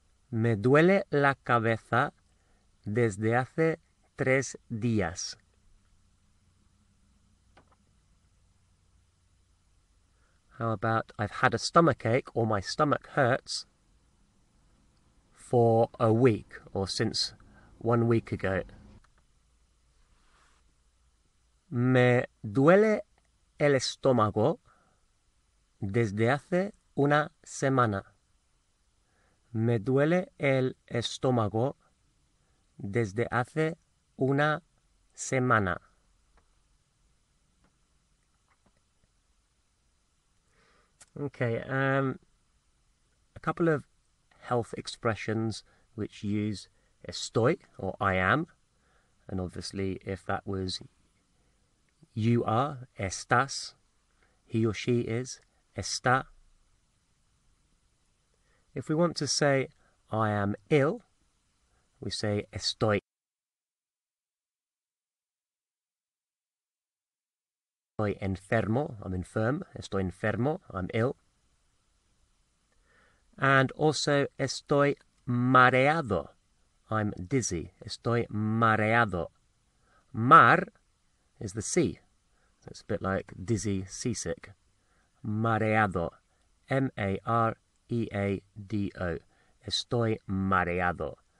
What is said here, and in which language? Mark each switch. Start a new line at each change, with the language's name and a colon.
Spanish: Me duele la cabeza desde hace 3 días.
English: How about I've had a stomachache or my stomach hurts for a week or since 1 week ago?
Spanish: Me duele el estómago desde hace una semana. Me duele el estómago desde hace una semana.
English: Okay, a couple of health expressions which use estoy or I am, and obviously if that was you are, estás, he or she is, está. If we want to say I am ill, we say estoy.
Spanish: Estoy enfermo,
English: I'm infirm,
Spanish: estoy enfermo,
English: I'm ill. And also,
Spanish: estoy mareado,
English: I'm dizzy, estoy mareado. Mar is the sea, so it's a bit like dizzy, seasick.
Spanish: Mareado, M-A-R-E-A-D-O, estoy mareado.